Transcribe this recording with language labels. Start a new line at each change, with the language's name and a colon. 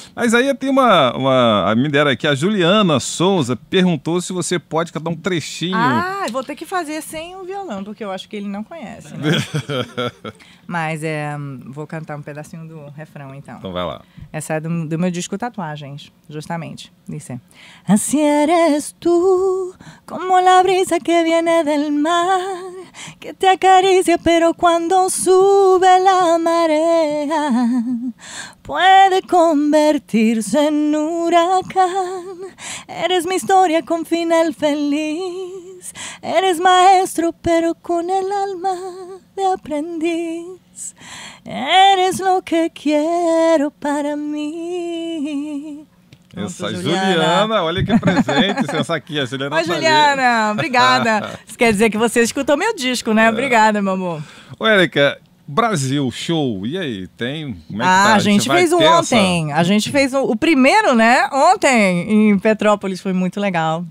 Portuguese: Mas aí tem uma a me deram aqui, a Juliana Souza perguntou se você pode cantar um trechinho. Ah, vou ter que fazer sem o violão, porque eu acho que ele não conhece. Né? Mas é, vou cantar um pedacinho do refrão, então. Então vai lá. Essa é do meu disco Tatuagens, justamente. Disse.
Spanish: Así eres tú, como la brisa que viene del mar, que te acaricia, pero cuando sube la marea, puede convertirse en huracán. Eres mi historia con final feliz, eres maestro, pero con el alma de aprendiz. Eres lo que quiero para mí.
Portuguese: Essa Juliana, olha que presente, essa aqui, a Juliana. Oi, Juliana, obrigada. Isso quer dizer que você escutou meu disco, né? Obrigada, meu amor. Ô, Erika, Brasil, show. E aí, tem? Como é que tá? A gente fez um ontem. A gente fez o primeiro, né? Ontem, em Petrópolis, foi muito legal.